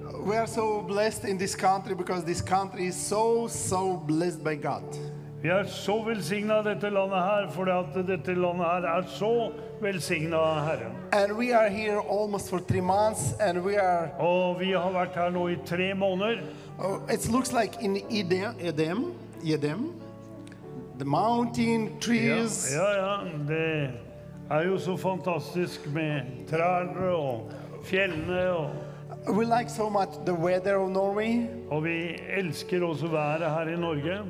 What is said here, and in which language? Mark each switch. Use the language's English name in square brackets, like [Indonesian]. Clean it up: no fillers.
[English] We are so blessed in this country because this country is so, so blessed by God. [Norwegian] Vi så velsignet dette landet her, fordi at dette landet her så velsignet Herren. [English] And we are here almost for 3 months, and we are... [Norwegian] Og vi har vært her nå I 3 måneder. [English] It looks like in Edom, the mountain, trees... [Norwegian] Ja, det... jo så fantastisk med trær og fjellene og... [English] We like so much the weather of Norway. [Norwegian] Og vi elsker også været her I Norge.